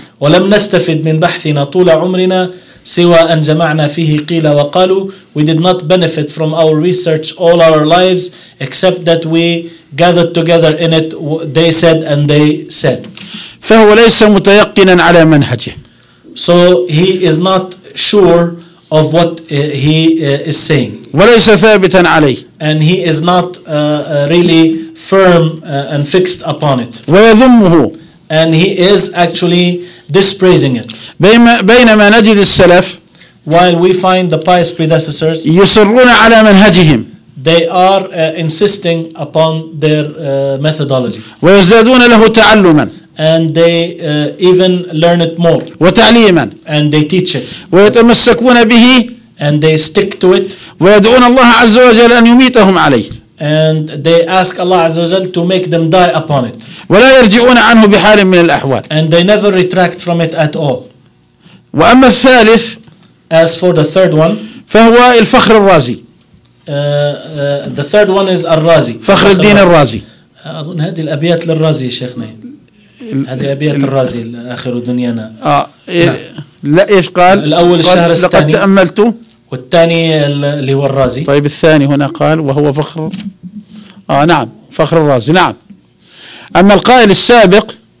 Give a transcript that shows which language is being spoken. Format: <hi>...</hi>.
<ar>ولم نستفد من بحثنا طول عمرنا سوى أن جمعنا فيه قيل وقالوا.</ar> <en>We did not benefit from our research all our lives except that we gathered together in it. They said and they said.</en> <ar>فهو ليس متيقنا على منهجه.</ar> <en>So he is not sure. Of what he is saying.</en> <ar>وليس ثابتا عليه.</ar> <en>And he is not really firm and fixed upon it.</en> <ar>ويذمه.</ar> <en>And he is actually dispraising it.</en> <ar>بينما نجد السلف.</ar> <en>While we find the pious predecessors.</en> <ar>يصرون على منهجهم.</ar> <en>They are insisting upon their methodology.</en> <ar>ويزدادون له تعلما.</ar> <en>and they even learn it more.</en> <ar>وتعليما.</ar> <en>And they teach it.</en> <ar>ويتمسكون به.</ar> <en>And they stick to it.</en> <ar>ويدعون الله عز وجل أن يميتهم عليه.</ar> <en>And they ask Allah عز وجل to make them die upon it.</en> <ar>ولا يرجعون عنه بحال من الأحوال.</ar> <en>And they never retract from it at all.</en> <ar>وأما الثالث.</ar> <en>As for the third one.</en> <ar>فهو الفخر الرازي.</ar> <en>The third one is الرازي.</en> <ar>فخر الدين الرازي. أظن هذه الأبيات للرازي شيخنا. هذه أبيات الرازي آخر دنيانا. لا إيش قال؟ الأول الشهر الثاني. لقد تأملت. والثاني اللي هو الرازي. طيب الثاني هنا قال وهو فخر. نعم فخر الرازي نعم. أما القائل السابق.</ar>